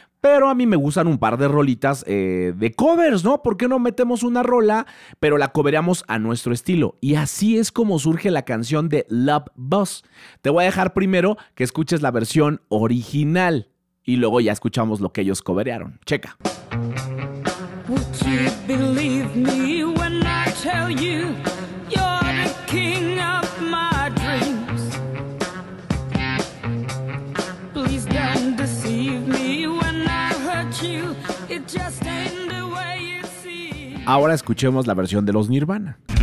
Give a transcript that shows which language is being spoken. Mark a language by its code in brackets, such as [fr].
[es] Pero a mí me gustan un par de rolitas de covers, ¿no? ¿Por qué no metemos una rola, pero la cobereamos a nuestro estilo? Y así es como surge la canción de Love Buzz. Te voy a dejar primero que escuches la versión original y luego ya escuchamos lo que ellos coberearon. Checa. [en] Would you believe me when I tell you you're the king of my dreams? Please don't deceive me when I hurt you. It just ain't the way you see. [es] Ahora escuchemos la versión de los Nirvana.